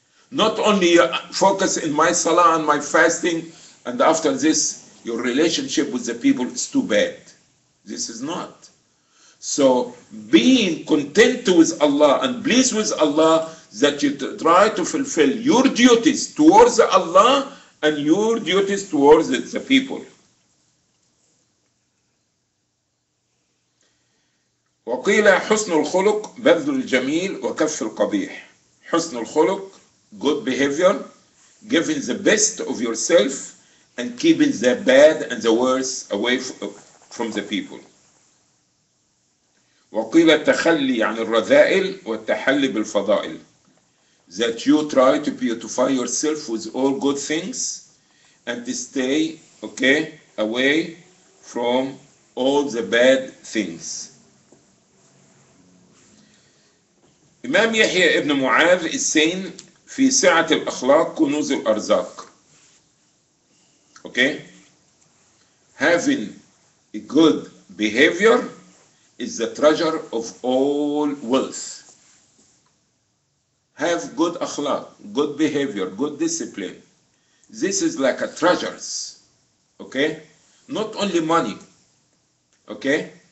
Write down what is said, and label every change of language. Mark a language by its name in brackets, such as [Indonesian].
[English] Not only focus in my salah and my fasting, and after this, your relationship with the people is too bad. This is not. So being content with Allah and pleased with Allah, that you try to fulfill your duties towards Allah and your duties towards the people. [Arabic] وقيل حسن الخلق بذل الجميل وكف القبيح. حسن الخلق, [English] good behavior, giving the best of yourself and keeping the bad and the worse away from the people. [Arabic] وقيل تخلي عن الرذائل والتحلي بالفضائل, [English] that you try to beautify yourself with all good things and to stay, okay, away from all the bad things. Imam Yahya ibn Mu'adh is saying, [Arabic] في سعة الأخلاق كنوز الأرزاق. [English] Okay? Having a good behavior is the treasure of all wealth. Have good akhlaq, good behavior, good discipline. This is like a treasures. Okay? Not only money. Okay?